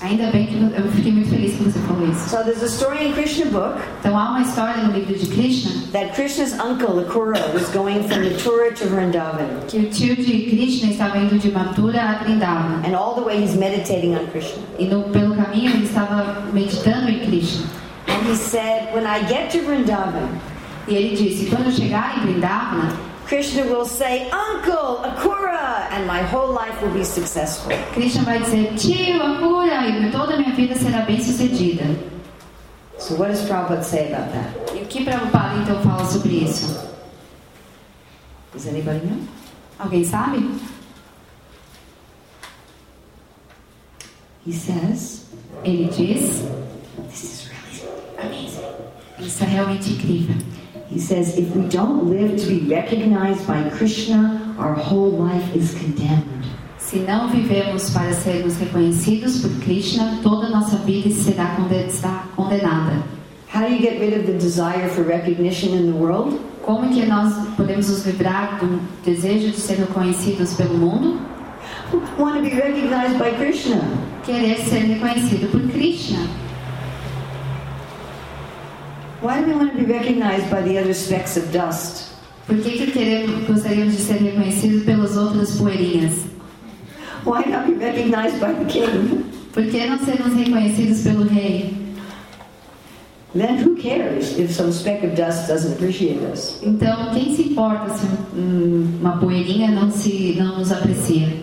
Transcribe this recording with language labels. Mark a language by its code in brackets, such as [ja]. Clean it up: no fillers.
[pt] Ainda bem que eu fiquei muito feliz que você falou isso. [en] So there's a story in Krishna book. [pt] Então há uma história no livro de Krishna. [en] That Krishna's uncle, Akura, was going from Mathura to Vrindavan. [pt] Que o tio de Krishna estava indo de Mathura a Vrindavan. [en] And all the way he's meditating on Krishna. [pt] E no, pelo caminho ele estava meditando em Krishna. [en] And he said, when I get to Vrindavan. [pt] E ele disse, quando eu chegar em Vrindavan. [en] Krishna will say, Uncle Akura, and my whole life will be successful. [pt] Krishna vai dizer, Tio Akura, e toda a minha vida será bem sucedida. [en] So what does Prabhupada say about that? [pt] E o que Prabhupada então fala sobre isso? [en] Does anybody know? [pt] Alguém sabe? [en] He says, [pt] ele diz, [en] this is really amazing. [pt] Isso é realmente incrível. [en] He says, if we don't live to be recognized by Krishna, our whole life is condemned. [pt] Se não vivemos para sermos reconhecidos por Krishna, toda nossa vida será condenada. [en] How do you get rid of the desire for recognition in the world? [pt] Como que nós podemos nos livrar do desejo de ser reconhecidos pelo mundo? [en] Want to be recognized by Krishna. [pt] Querer ser reconhecido por Krishna. [en] Why do we want to be recognized by the other specks of dust? [pt] Por que gostaríamos de ser reconhecidos pelas outras poeirinhas? [en] Why not be recognized by the king? [pt] Por que não sermos reconhecidos pelo rei? [en] Then who cares if some speck of dust doesn't appreciate us? [pt] Então, quem se importa se uma poeirinha não nos aprecia?